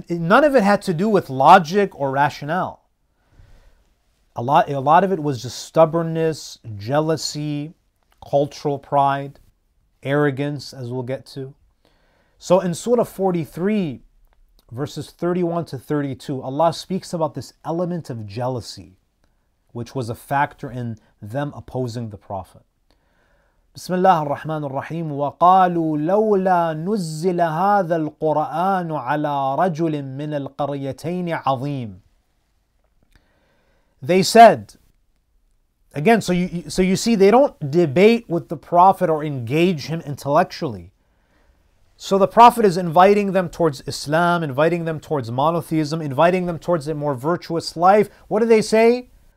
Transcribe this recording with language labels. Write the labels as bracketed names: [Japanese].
[English] None of it had to do with logic or rationale. A lot of it was just stubbornness, jealousy, cultural pride, arrogance, as we'll get to. So in Surah 43, verses 31 to 32, Allah speaks about this element of jealousy, which was a factor in them opposing the Prophet. [Arabic] بسم الله الرحمن الرحيم وقالوا لولا نزل هذا القرآن على رجل من القريتين عظيم. [English] They said, again, so you see, they don't debate with the Prophet or engage him intellectually. So the Prophet is inviting them towards Islam, inviting them towards monotheism, inviting them towards a more virtuous life. What do they say?